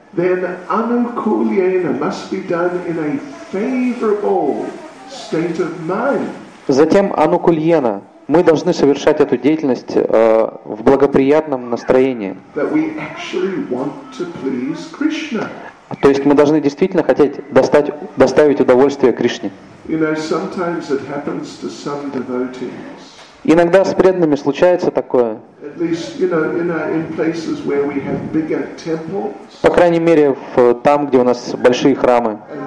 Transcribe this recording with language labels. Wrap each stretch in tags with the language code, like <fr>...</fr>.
<en>Then anukulyena must be done in a favorable state of mind.</en> <ru>Затем анукульена. Мы должны совершать эту деятельность в благоприятном настроении.</ru> <en>That we actually want to please Krishna.</en> <ru>То есть мы должны действительно хотеть доставить удовольствие Кришне.</ru> <en>You know, sometimes it happens to some devotees.</en> <ru>Иногда с преданными случается такое. По крайней мере, там, где у нас большие храмы.</ru>